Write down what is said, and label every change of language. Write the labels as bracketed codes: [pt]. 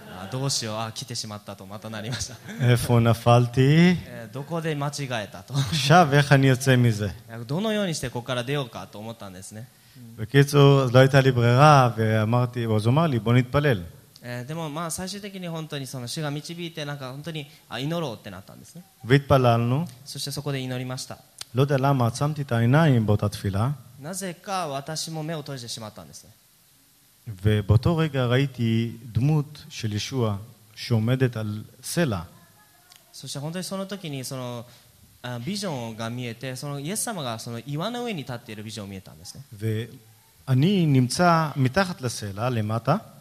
[ja] どうしよう、来てしまったとまたなりました。 [he] איפה נפלתי? [ja] どこで間違えたと。 [he] עכשיו, איך אני יוצא מזה? [ja] どのようにしてここから出ようかと思ったんですね。 [he] בקיצור, לא הייתה לי ברירה, ואמרתי, אז אמר לי, בוא נתפלל. [ja] でもまあ最終的に本当にその主が導いてなんか本当に祈ろうってなったんですね。 [he] והתפללנו. [ja] そしてそこで祈りました。 [he] לא יודע למה, עצמתי את העיניים באותה תפילה. [ja] なぜか私も目を閉じてしまったんですね。 [he] ובאותו רגע ראיתי דמות של ישוע שעומדת על סלע. [ja] そして本当にその時にそのビジョンが見えて、そのイエス様がその岩の上に立っているビジョンを見えたんですね。 [he] ואני נמצא מתחת לסלע, למטה.